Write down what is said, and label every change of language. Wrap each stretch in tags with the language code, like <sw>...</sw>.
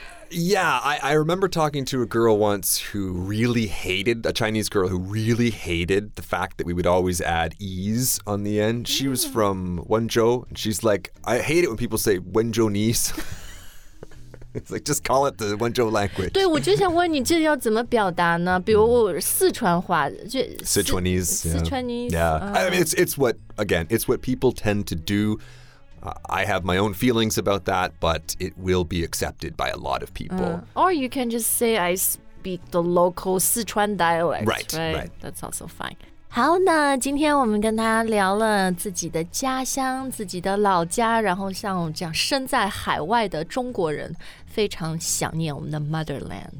<en>Yeah, I remember talking to a girl once who really hated a Chinese girl who really hated the fact that we would always add ease on the end She was from Wenzhou and she's like, I hate it when people say Wenzhouese It's like, just call it the Wenzhou language.</en> <zh>对，我就想问你这要怎么表达呢？比如四川话，就</zh> <en>Sichuanese. Sichuanese. Yeah. Yeah. I mean, it's what, again, it's what people tend to do. I have my own feelings about that, but it will be accepted by a lot of people. Or you can just say, I speak the local Sichuan dialect. Right, right. right. That's also fine.</en> <zh>好那今天我们跟他聊了自己的家乡自己的老家然后像这样身在海外的中国人非常想念我们的 motherland、</zh>